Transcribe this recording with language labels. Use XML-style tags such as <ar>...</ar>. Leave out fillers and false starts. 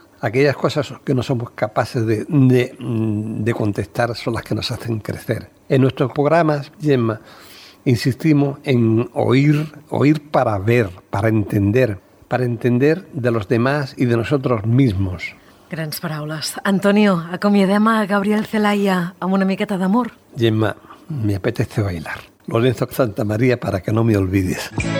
<es>Aquellas cosas que no somos capaces de contestar son las que nos hacen crecer. En nuestros programas, Gemma, insistimos en oír para ver, para entender de los demás y de nosotros mismos.</es> <ca>Grans paraules. Antonio, acomiadem a Gabriel Celaya amb una miqueta d'amor.</ca> <es>Gemma, me apetece bailar. Lorenzo Santa María, para que no me olvides.</es>